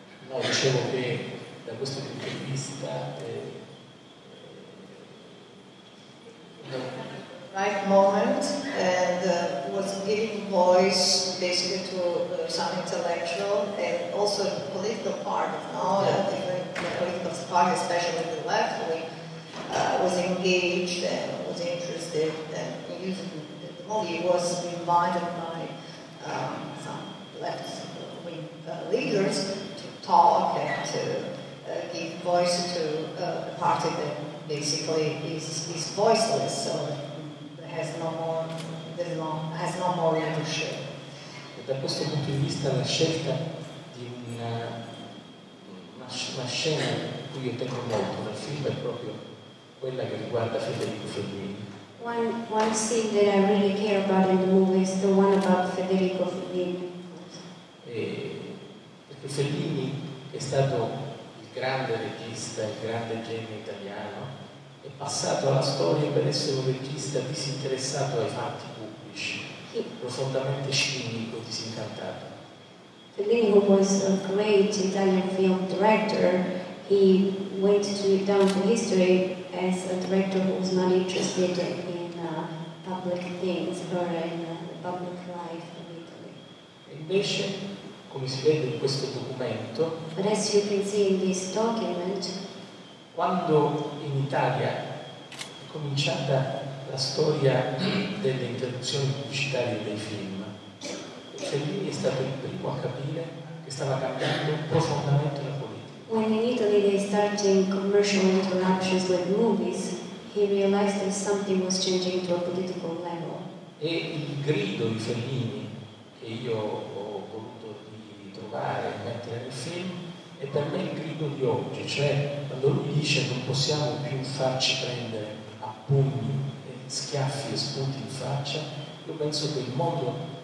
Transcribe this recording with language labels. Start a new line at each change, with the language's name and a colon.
Italian: No, dicevo che da questo punto di vista
English: right moment, and was giving voice basically to some intellectual and also political part of now, yeah. The political part, especially the left wing, was engaged and was interested and using the movie. He was invited by some left wing leaders to talk and to give voice to the party that basically is voiceless. So. Has no more leadership.
Italian: E da questo punto di vista la scelta di una scena in cui io tengo molto nel film è proprio quella che riguarda Federico Fellini.
English: One scene that I really care about in the movie is the one about Federico Fellini.
Italian: Perché Fellini è stato il grande regista, il grande genio italiano. È passato alla storia per essere un regista disinteressato ai fatti pubblici, profondamente cinico, disincantato.
English: Fellini, who was a great Italian film director, he went down to history as a director who was not interested in public things or in public life in Italy.
Italian: Invece, come si vede in questo documento,
English: but as you can see in this document,
Italian: quando in Italia è cominciata la storia delle interruzioni pubblicitarie dei film, Fellini è stato il primo a capire che stava cambiando profondamente la politica.
English: When in Italy they started commercial interruptions with movies, he realized that something was changing to a political level.
Italian: E il grido di Fellini che io ho voluto ritrovare e mettere nel film è per me il grido di oggi, cioè quando lui dice non possiamo più farci prendere a pugni, schiaffi e spunti in faccia, io penso che il mondo